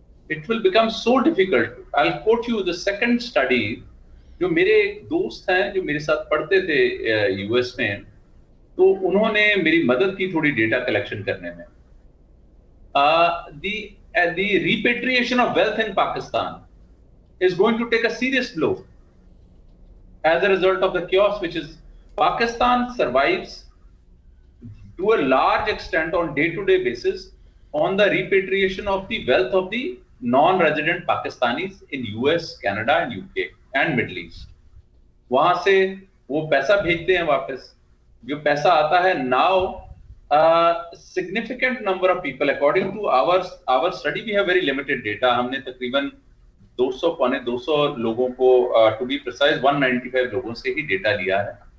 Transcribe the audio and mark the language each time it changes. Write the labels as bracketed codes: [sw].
[en] It will become so difficult. I will quote you the second study [ur] جو میرے ایک دوست ہیں جو میرے ساتھ پڑھتے تھے یو ایس میں, تو انہوں نے میری مدد کی تھوڑی ڈیٹا کلیکشن کرنے میں. [en] The repatriation of wealth in Pakistan is going to take a serious blue as a result of the caves which is Pakistan سروائیوز to a large extent on day-to-day basis on the repatriation of the wealth of the non-resident Pakistanis in US, Canada and UK and Middle East. [ur] وہاں سے وہ پیسہ بھیجتے ہیں واپس. جو پیسہ آتا ہے [en] now, a significant number of people, according to our study, we have very limited data. [ur] ہم نے تقریباً 200 لوگوں کو, [en] to be precise, [ur] 195 لوگوں سے ہی ڈیٹا لیا ہے.